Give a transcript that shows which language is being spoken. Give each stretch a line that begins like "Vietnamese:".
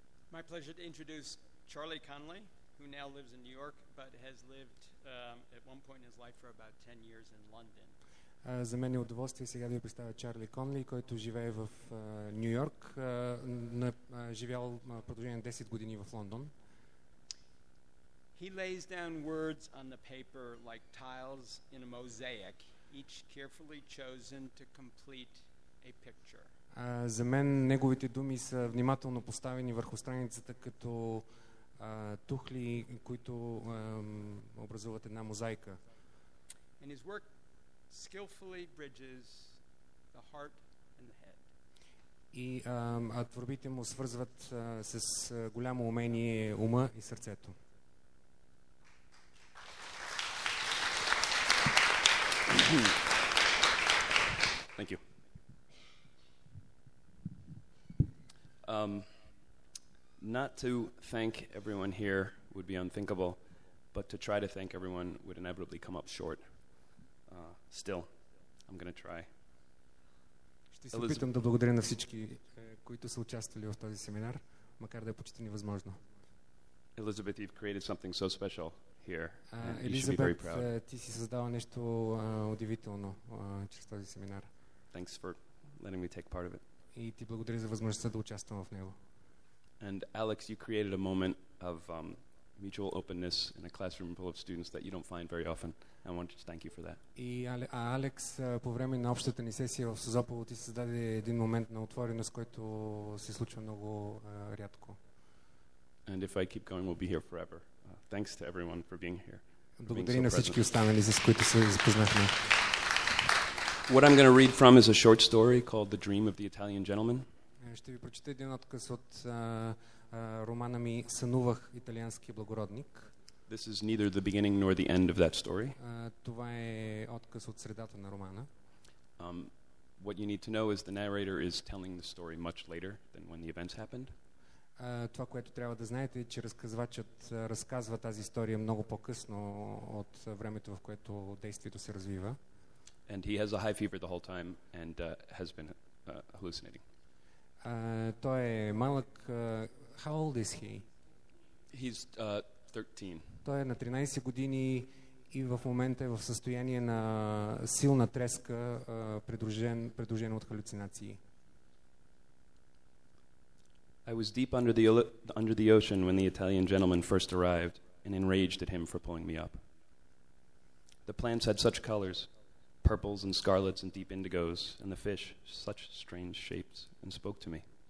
English: My pleasure to introduce Charlie Conley, who now lives in New York, but has lived at one point in his life for about 10 years in London.
Bulgarian: За мен е удоволствие сега да ви представя Чарли Конли, който живее в Нью Йорк, живял продължение на 10 години в Лондон.
English: He lays down words on the paper like tiles in a mosaic, each carefully chosen to complete a picture.
Bulgarian: За мен неговите думи са внимателно поставени върху страницата като тухли, които образуват една мозайка.
English: And his work skillfully bridges the heart and the head.
Bulgarian: И творбите му свързват с голямо умение ума и сърцето.
English: Thank you. Not to thank everyone here would be unthinkable, but to try to thank everyone would inevitably come up short. Still, I'm going to try.
Bulgarian: Ще се опитам да благодаря на всички, които са участвали в този семинар, макар да е почти невъзможно.
English: Elizabeth, you've created something so special here.
Bulgarian: Елизабет, ти си създала нещо удивително чрез този семинар.
English: Thanks for letting me take part of it.
Bulgarian: И ти благодаря за възможността да участвам в него.
English: And Alex, you created a moment of mutual openness in a classroom full of students that you don't find very often. I wanted to thank you for that.
Bulgarian: И Алекс, по време на общата ни сесия в Созопол, ти създаде един момент на отвореност, който се случва много рядко.
English: And if I keep going, we'll be here forever. Thanks to everyone for being here.
Bulgarian: Благодаря на всички останали, с които се запознахме.
English: What I'm going to read from is a short story called The Dream of the Italian Gentleman.
Bulgarian: Ще ви прочета един откъс от романа ми Сънувах италиански благородник.
English: This is neither the beginning nor the end of that story.
Bulgarian: Това е откъс от средата на романа.
English: What you need to know is the narrator is telling the story much later than when the events happened.
Bulgarian: Това, което трябва да знаете, е, че разказвачът разказва тази история много по-късно от времето, в което действието се развива.
English: And he has a high fever the whole time and has been hallucinating.
Bulgarian: Той е малък.
English: How old is he? He's 13.
Bulgarian: Той е на 13 години и в момента е в състояние на силна треска, придружен от халюцинации.
English: I was deep under the ocean when the Italian gentleman first arrived and enraged at him for pulling me up. The plants had such colors, purples and scarlets and deep indigos, and the fish such strange shapes, and spoke to me.